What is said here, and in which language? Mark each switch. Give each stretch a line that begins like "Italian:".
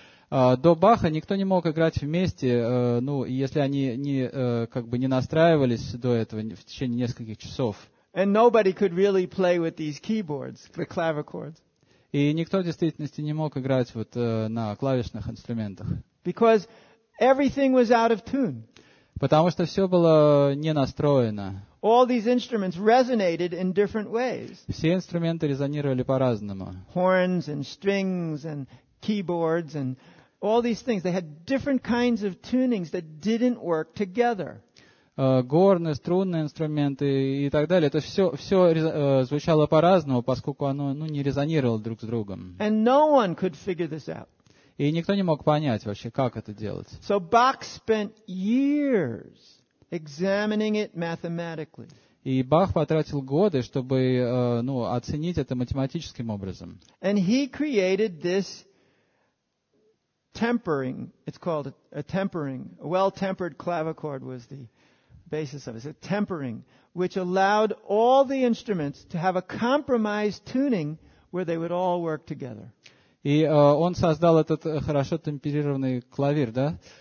Russian: До Баха никто не мог играть вместе, если они не настраивались до этого в течение нескольких часов.
English: And nobody could really play with these keyboards, the clavichords.
Russian: И никто в действительности не мог играть на клавишных инструментах.
English: Because everything was out of tune.
Russian: Потому что все было не настроено.
English: All these instruments resonated in different ways.
Russian: Все инструменты резонировали по-разному.
English: Horns and strings and keyboards and all these things. They had different kinds of tunings that didn't work together.
Russian: Горны, струнные инструменты и так далее. Это все звучало по-разному, поскольку оно не резонировало друг с другом.
English: And no one could figure this out.
Russian: И никто не мог понять вообще, как это делать.
English: So Bach spent years examining it mathematically.
Russian: И Бах потратил годы, чтобы оценить это математическим образом.
English: And he created this tempering. It's called a tempering. A well-tempered clavichord was the basis of it. It's a tempering, which allowed all the instruments to have a compromised tuning where they would all work together.
Russian: И он создал этот хорошо темперированный клавир, да?